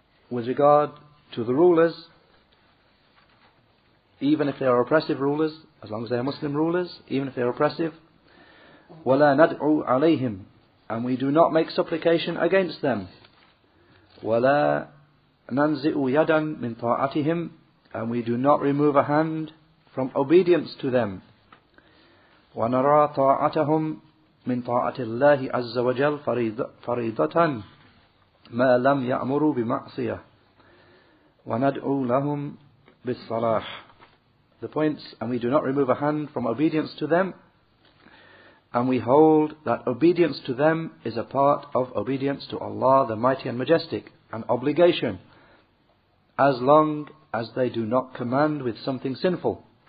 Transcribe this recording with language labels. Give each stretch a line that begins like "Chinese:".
English: With regard to the rulers, even if they are oppressive rulers, as long as they are Muslim rulers, even if they are oppressive,
Arabic: ولا ندعو عليهم,
English: and we do not make supplication against them.
Arabic: ولا ننزع يدا من طاعتهم,
English: and we do not remove a hand from obedience to them.
Arabic: ونرى طاعتهم من طاعة الله عز وجل فريضة ما لم يأمروا بمعصية. وندعو لهم بالصلاح.
English: The points, and we do not remove a hand from obedience to them. And we hold that obedience to them is a part of obedience to Allah the Mighty and Majestic, an obligation, as long as they do not command with something sinful.